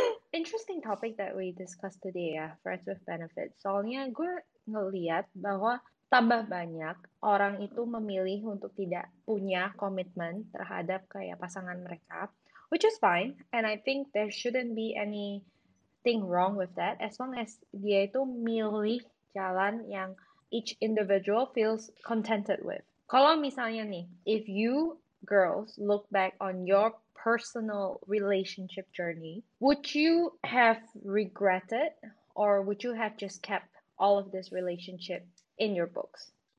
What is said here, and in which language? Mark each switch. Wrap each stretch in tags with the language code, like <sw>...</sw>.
<en>Interesting topic that we discussed today ya, friends with benefits.</en> <id>Soalnya gue ngeliat bahwa tambah banyak orang itu memilih untuk tidak punya komitmen terhadap kayak pasangan mereka.</id> <en>Which is fine, and I think there shouldn't be anything wrong with that, as long as</en> <id>dia itu milih jalan yang</id> <en>each individual feels contented with.</en> <id>Kalau misalnya nih,</id> <en>if you girls look back on your personal relationship journey, would you have regretted, or would you have just kept all of this relationship in your books?</en>